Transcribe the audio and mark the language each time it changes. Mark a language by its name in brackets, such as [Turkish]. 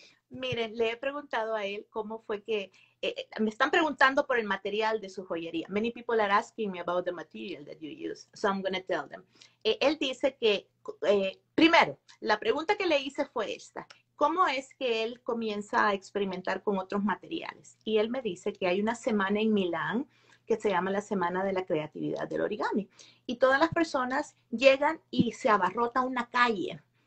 [Spanish] Miren, le he preguntado a él cómo fue que me están preguntando por el material de su joyería. [English] Many people are asking me about the material that you use, so I'm going to tell them. [Spanish] Él dice que primero, la pregunta que le hice fue esta: ¿cómo es que él comienza a experimentar con otros materiales? Y él me dice que hay una semana en Milán que se llama la Semana de la Creatividad del Origami. Y todas las personas llegan y se abarrota una calle.